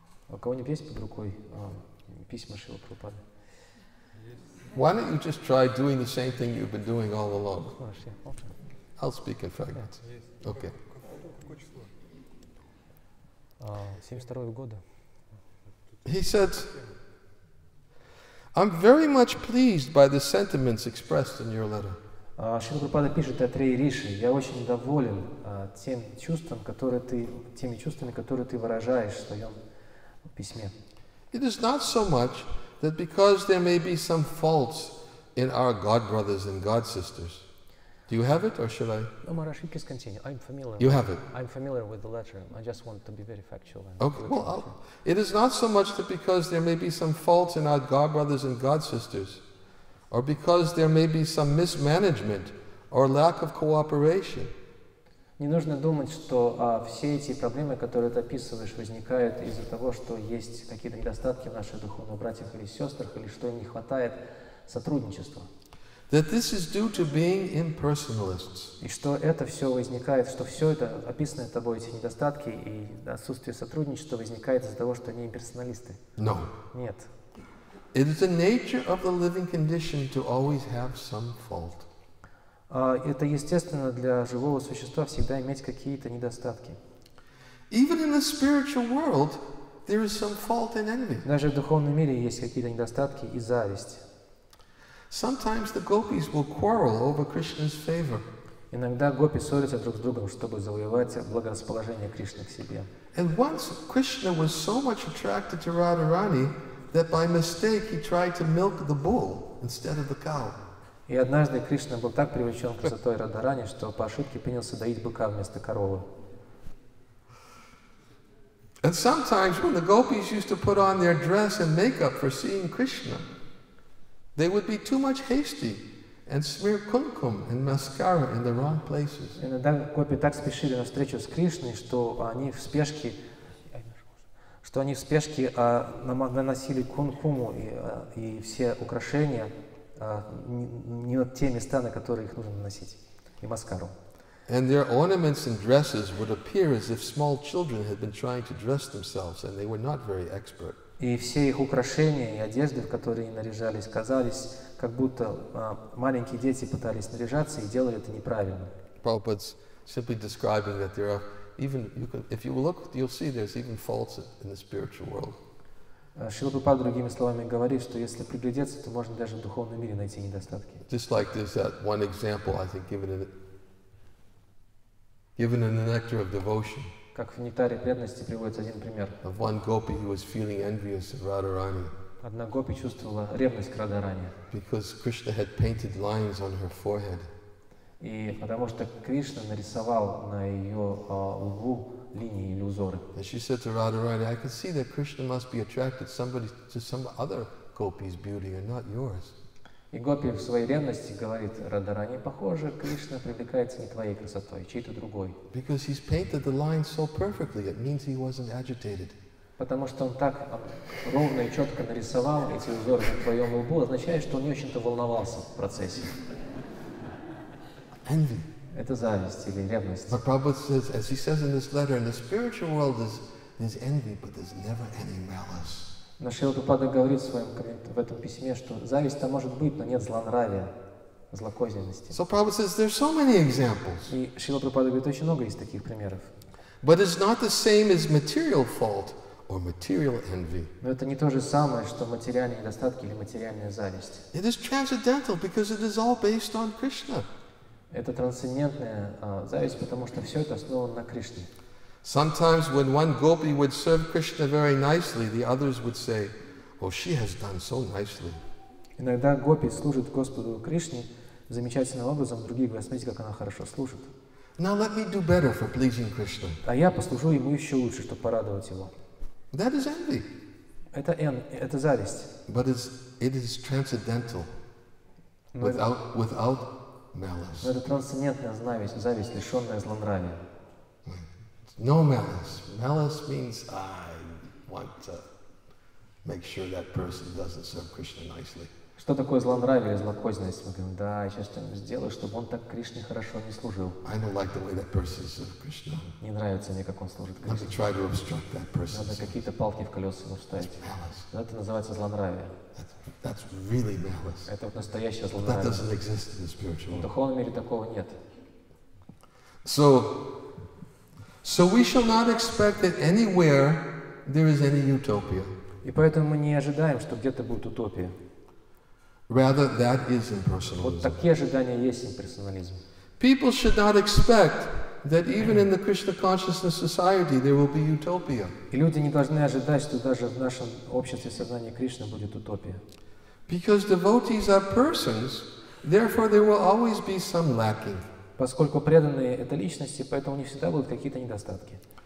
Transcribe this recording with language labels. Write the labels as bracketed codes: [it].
[ru] У кого-нибудь есть под рукой письма Шрилы Прабхупады? [en] Why don't you just try doing the same thing you've been doing all along? I'll speak in fragments. Okay. [ru] 72 года. [en] He said, I'm very much pleased by the sentiments expressed in your letter. [ru] Шрила Прабхупада пишет о Трее Риши. Я очень доволен теми чувствами, которые ты выражаешь в своем письме. [en] It is not so much that because there may be some faults in our God brothers and God sisters. Do you have it, or should I? No, Maharaj, please continue. I'm familiar. You have it. I'm familiar with the letter. I just want to be very factual. Okay. Well, it is not so much that because there may be some faults in our God brothers and God sisters, or because there may be some mismanagement or lack of cooperation. [ru] Не нужно думать, что все эти проблемы, которые ты описываешь, возникают из-за того, что есть какие-то недостатки в наших духовных братьях или сестрах, или что им не хватает сотрудничества. [en] That this is due to being impersonalists. [ru] И что это все возникает, что все это описанное тобой, эти недостатки и отсутствие сотрудничества возникает из-за того, что они имперсоналисты. [en] No. [ru] Нет. [en] It is the nature of the living condition to always have some fault. [ru] Это естественно для живого существа всегда иметь какие-то недостатки. [en] Even in the spiritual world, there is some fault and envy. [ru] Даже в духовном мире есть какие-то недостатки и зависть. [en] Sometimes the gopis will quarrel over Krishna's favor. [ru] Иногда гопи ссорятся друг с другом, чтобы завоевать благорасположение Кришны к себе. [en] And once Krishna was so much attracted to Radharani that by mistake he tried to milk the bull instead of the cow. [ru] И однажды Кришна был так привлечен красотой Радхарани, что по ошибке принялся доить быка вместо коровы. [en] And sometimes when the gopis used to put on their dress and makeup for seeing Krishna, they would be too much hasty and smear kumkum and mascara in the wrong places. [ru] Иногда гопи так спешили на встречу с Кришной, что они в спешке, наносили кумкуму и все украшения не на те места, на которые их нужно наносить, и маскару. [en] And their ornaments and dresses would appear as if small children had been trying to dress themselves, and they were not very expert. [ru] И все их украшения и одежды, в которые наряжались, казались, как будто маленькие дети пытались наряжаться и делали это неправильно. [en] Prabhupada's simply describing that there are even you can if you look, you'll see there's even faults in the spiritual world. [ru] Шрила Прабхупада другими словами говорит, что если приглядеться, то можно даже в духовном мире найти недостатки. [en] Just like there's that one example, I think, given in the Nectar of Devotion. [ru] Как в Нектаре преданности приводится один пример. [en] Of one gopi who was feeling envious of Radharani. [ru] Одна гопи чувствовала ревность к Радхарани. [en] Because Krishna had painted lines on her forehead. [ru] И потому что Кришна нарисовал на ее лбу линии или узоры. [en] And she said to Radharani, I can see that Krishna must be attracted somebody to some other gopi's beauty and not yours. [ru] И гопи в своей ревности говорит Радхарани, похоже, Кришна привлекается не твоей красотой, а чьей-то другой. [en] Because he's painted the line so perfectly, it means he wasn't agitated. [ru] Потому что он так ровно и четко нарисовал эти узоры на твоем лбу, означает, что он не очень-то волновался в процессе. [en] Envy. [ru] Это зависть или ревность. [en] But Prabhupada says, as he says in this letter, in the spiritual world there's envy, but there's never any malice. [ru] Но Шрила Прабхупада говорит в своем в этом письме, что зависть-то может быть, но нет злонравия, злокозненности. [en] So Prabhupada says, there's so many examples. [ru] И Шрила Прабхупада говорит, очень много есть таких примеров. [en] But it's not the same as material fault or material envy. [ru] Но это не то же самое, что материальные недостатки или материальная зависть. [en] It is transcendental because it is all based on Krishna. [ru] Это трансцендентная зависть, потому что все это основано на Кришне. [en] Sometimes when one gopi would serve Krishna very nicely, the others would say, oh, she has done so nicely. [ru] Иногда гопи служит Господу Кришне замечательным образом, другие говорят, смотрите, как она хорошо служит. [en] Now let me do better for pleasing Krishna. [ru] А я послужу ему еще лучше, чтобы порадовать его. [en] That is envy. [ru] Это зависть. [en] But it is transcendental. Without malice. [ru] Это трансцендентная зависть, лишенная злонравия. [en] No malice. Malice means I want to make sure that person doesn't serve Krishna nicely. [ru] Что такое злонравие, злокозненность? Мы говорим, да, я сейчас что-нибудь сделаю, чтобы он так Кришне хорошо не служил. [en] I don't like the way that person serves Krishna. [ru] Не нравится мне, как он служит Кришне. [en] Let me try to obstruct that person. [ru] Надо какие-то палки в колеса ему вставить. [en] That's malice. [ru] Это называется злонравие. [en] That's really malice. [ru] Это вот настоящее злонравие. [en] That doesn't exist in the spiritual world. [ru] В духовном мире такого нет. [en] So we shall not expect that anywhere there is any utopia. [ru] И поэтому мы не ожидаем, что где-то будет утопия. [en] Rather, that is impersonalism. [ru] Вот такие ожидания есть имперсонализм. [en] People should not expect that even in the Krishna consciousness society there will be utopia. [ru] И люди не должны ожидать, что даже в нашем обществе сознания Кришны будет утопия. [en] Because devotees are persons, therefore there will always be some lacking. [ru] Поскольку преданные — это личности, поэтому у них всегда будут какие-то недостатки.